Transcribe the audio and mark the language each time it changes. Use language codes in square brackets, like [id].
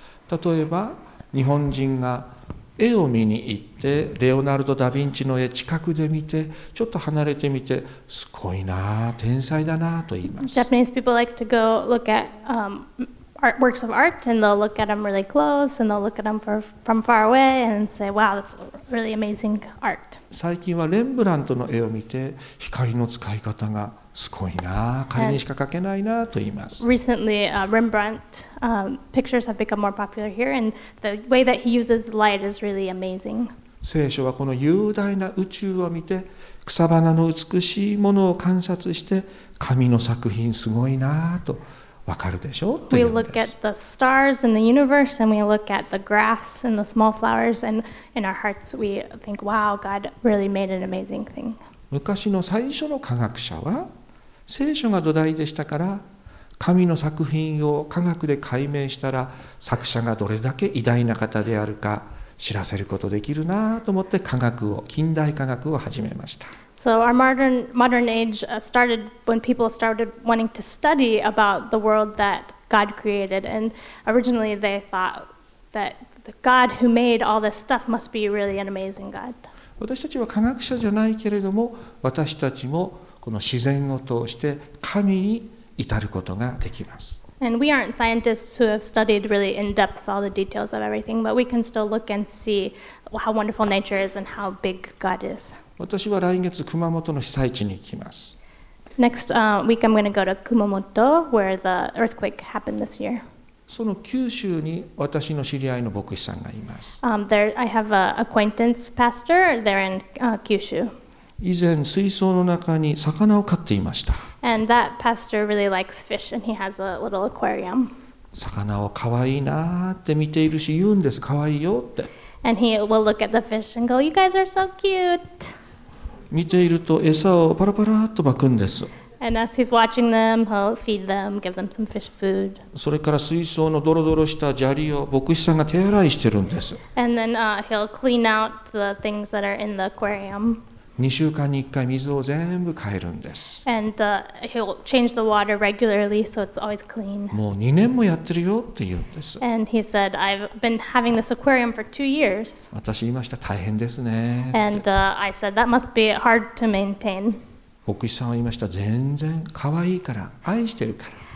[ja] 例えば、日本人が絵を見に行って、レオナルド・ダ・ヴィンチの絵近くで見て、ちょっと離れてみて、すごいなあ、天才だなあと言います。 [en] Japanese people like to go look at works of art, and they'll look at them really close, and they'll look at them from far away, and say, wow, that's really amazing art. [ja] 最近はレンブラントの絵を見て、光の使い方がすごいなあ、彼にしか描けないなあと言います。 [en] Recently, Rembrandt, pictures have become more popular here, and the way that he uses light is really amazing. [ja] 聖書はこの雄大な宇宙を見て、草花の美しいものを観察して、神の作品すごいなあと分かるでしょうと言うんです。 [en] We look at the stars in the universe, and we look at the grass and the small flowers, and in our hearts we think, wow, God really made an amazing thing. [ja] 昔の最初の科学者は聖書が土台でしたから、神の作品を科学で解明したら作者がどれだけ偉大な方であるか知らせることできるなと思って科学を、近代科学を始めました。 [en] So our modern age started when people started wanting to study about the world that God created, and originally they thought that the God who made all this stuff must be really an amazing God. [ja] 私たちは科学者じゃないけれども、私たちもこの自然を通して神に至ることができます。 [en] And we aren't scientists who have studied really in depth all the details of everything, but we can still look and see how wonderful nature is and how big God is. [ja] 私は来月熊本の被災地に行きます。 [en] Next week I'm going to go to Kumamoto where the earthquake happened this year. [ja] その九州に私の知り合いの牧師さんがいます。 [en] I have an acquaintance pastor there in Kyushu. [ja] 以前水槽の中に魚を飼っていました。 [en] And that pastor really likes fish and he has a little aquarium. [ja] 魚を可愛いなって見ているし言うんです、可愛いよって。 [en] And he will look at the fish and go, you guys are so cute. [ja] 見ていると餌をパラパラっと撒くんです。 [en] And as he's watching them, he'll feed them, give them some fish food. [ja] それから水槽のドロドロした砂利を牧師さんが手洗いしてるんです。 [en] And then he'll clean out the things that are in the aquarium. [ja] 2週間に1回水を全部変えるんです。 [en] And he'll change the water regularly so it's always clean. [ja] もう2年もやってるよって言うんです。 [en] And he said, I've been having this aquarium for 2 years. [ja] 私言いました、大変ですね。 [en] And I said, that must be hard to maintain. [ja] 牧師さんは言いました。全然可愛いから、愛してるから。